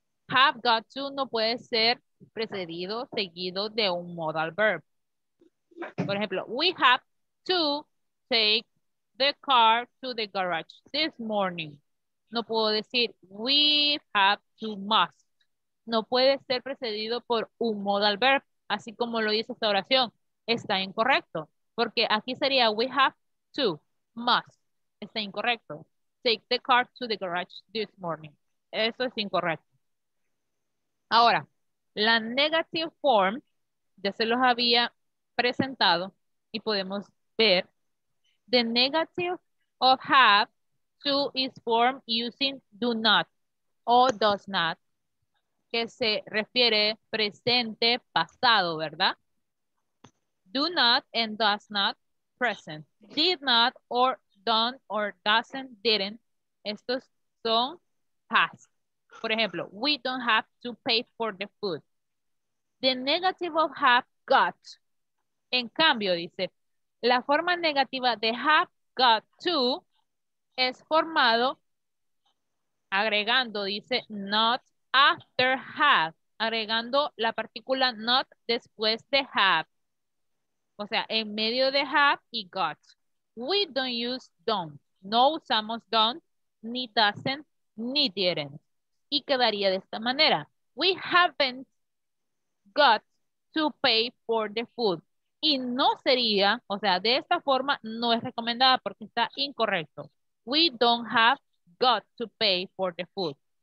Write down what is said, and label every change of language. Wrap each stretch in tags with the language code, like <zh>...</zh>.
<es>Have got to no puede ser precedido, seguido de un modal verb. Por ejemplo,</es> <en>we have to take the car to the garage this morning.</en> <es>No puedo decir,</es> <en>we have to must.</en> <es>No puede ser precedido por un modal verb. Así como lo dice esta oración, está incorrecto. Porque aquí sería,</es> <en>we have to, must.</en> <es>Está incorrecto.</es> <en>Take the car to the garage this morning.</en> <es>Eso es incorrecto. Ahora, la negative form, ya se los había presentado y podemos ver.</es> <en>The negative of have to is formed using do not or does not.</en> <es>Que se refiere presente, pasado, ¿verdad?</es> <en>Do not and does not, present. Did not or done or doesn't, didn't.</en> <es>Estos son past. Por ejemplo,</es> <en>we don't have to pay for the food. The negative of have got.</en> <es>En cambio, dice, la forma negativa de have got to es formado agregando, dice, not.</es> <en>After have,</en> <es>agregando la partícula not después de have. O sea, en medio de have y got.</es> <en>We don't use don't.</en> <es>No usamos don't, ni doesn't, ni didn't. y quedaría de esta manera.</es> <en>We haven't got to pay for the food.</en> <es>Y no sería, o sea, de esta forma no es recomendada porque está incorrecto.</es> <en>We don't have got to pay for the food.</en>